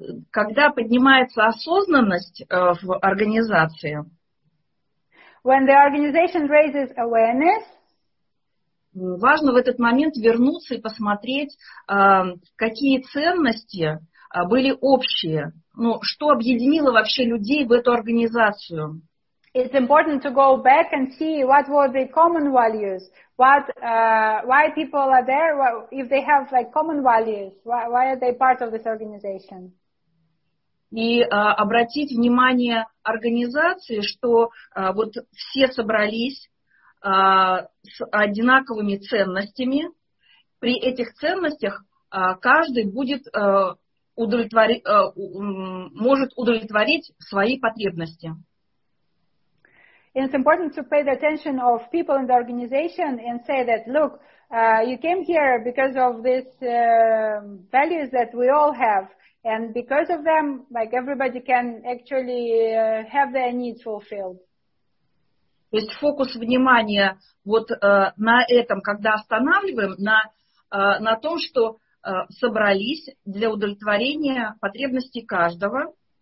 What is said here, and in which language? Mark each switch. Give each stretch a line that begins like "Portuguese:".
Russian: Когда поднимается осознанность в организации.
English: When the organization raises awareness.
Russian: Важно в этот момент вернуться и посмотреть, какие ценности были общие, ну, что объединило вообще людей в эту организацию.
English: It's important to go back and see what were the common values, what why people are there, if they have like common values, why are they part of this organization?
Russian: И обратить внимание организации, что вот все собрались с одинаковыми ценностями. При этих ценностях каждый будет может удовлетворить свои потребности.
English: It's important to pay the attention of people in the organization and say that, look, you came here because of these values that we all have, and because of them, like everybody can actually have their needs fulfilled.
Russian: То есть фокус внимания вот на этом, когда останавливаем, на том, что собрались для удовлетворения потребностей каждого.